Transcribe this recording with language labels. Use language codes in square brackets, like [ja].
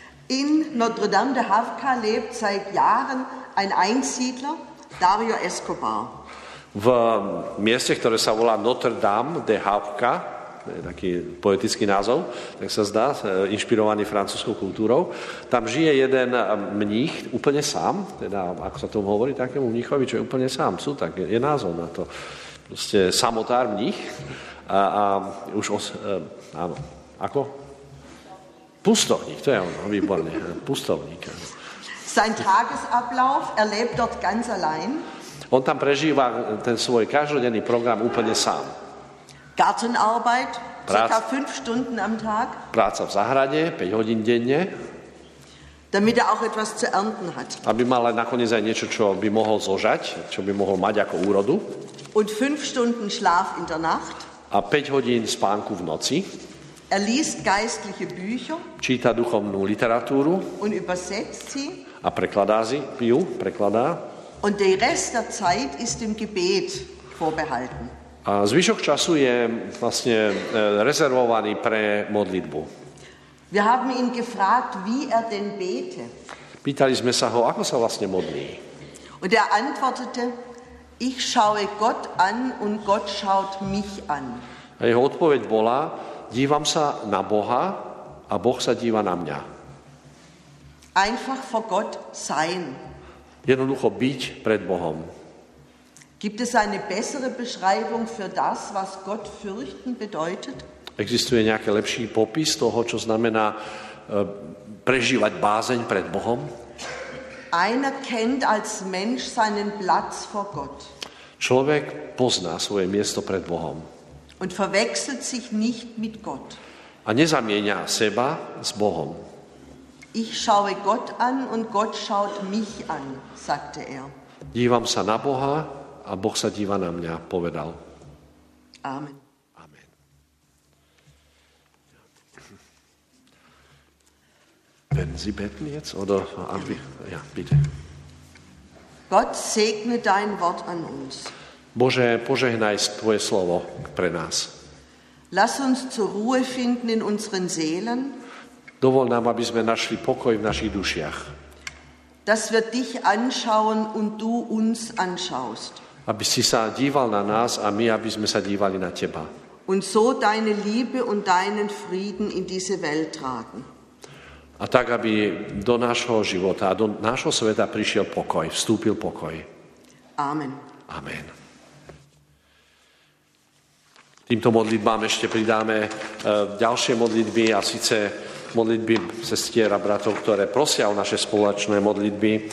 [de] In Notre Dame de Havka lebt seit Jahren ein Einsiedler, Dario Escobar. [sk] V mieste, ktoré sa volá Notre Dame de Havka, taký poetický názov, tak sa zdá, inšpirovaný francúzskou kultúrou. Tam žije jeden mních úplne sám, teda ako sa tomu hovorí, takému mníchovi, čo je úplne sám, sú tak, je názov na to. Proste samotár mních a už áno, ako? Pustovník, to je ono, výborné, pustovník. [de] Sein Tagesablauf erlebt dort ganz allein. [sk] On tam prežíva ten svoj každodenný program úplne sám. [de] Gartenarbeit, ca. 5 Stunden am Tag. [sk] Práca v záhrade, 5 hodín denne. [de] Damit er auch etwas zu ernten hat. [sk] Aby mal nakoniec aj niečo, čo by mohol zožať, čo by mohol mať ako úrodu. [de] Und 5 Stunden Schlaf in der Nacht. [sk] A 5 hodín spánku v noci. [de] Er liest geistliche Bücher. [sk] Číta duchovnú literatúru. [de] Und übersetzt sie. [sk] A prekladá si ju, prekladá. [de] Und der Rest der Zeit ist im Gebet vorbehalten. [sk] A zvyšok času je vlastne rezervovaný pre modlitbu. [de] Wir haben ihn gefragt, wie er denn bete. [sk] Pýtali sme sa ho, ako sa vlastne modlí. [de] Und er antwortete, ich schaue Gott an und Gott schaut mich an. [sk] A jeho odpoveď bola, dívam sa na Boha a Boh sa díva na mňa. [de] Einfach vor Gott sein. [sk] Jednoducho byť pred Bohom. [de] Gibt es eine bessere Beschreibung für das, was Gott fürchten bedeutet? [sk] Existuje nejaký lepší popis toho, čo znamená prežívať bázeň pred Bohom? [de] Einer kennt als Mensch seinen Platz vor Gott. [sk] Človek pozná svoje miesto pred Bohom. [de] Und verwechselt sich nicht mit Gott. [sk] A nezamieňa seba s Bohom. [de] Ich schaue Gott an und Gott schaut mich an, sagte er. [sk] Dívam sa na Boha a Boh sa díva na mňa, povedal. [de] Amen. Wenn Sie beten jetzt oder ja, bitte. Gott segne dein Wort an uns. [sk] Bože, požehnaj tvoje slovo pre nás. [de] Lass uns zur Ruhe finden in unseren Seelen. [sk] Dovol nám, aby sme našli pokoj v našich dušiach. [de] Dass wir dich anschauen und du uns anschaust. [sk] Aby si sa díval na nás a my, aby sme sa dívali na teba. [de] Und so deine Liebe und deinen Frieden in diese Welt tragen. [sk] A tak, aby do nášho života, do nášho sveta prišiel pokoj, vstúpil pokoj. [de] Amen. [sk] Amen. Týmto modlitbám ešte pridáme ďalšie modlitby, a síce modlitby sestier a bratov, ktoré prosia o naše spoločné modlitby.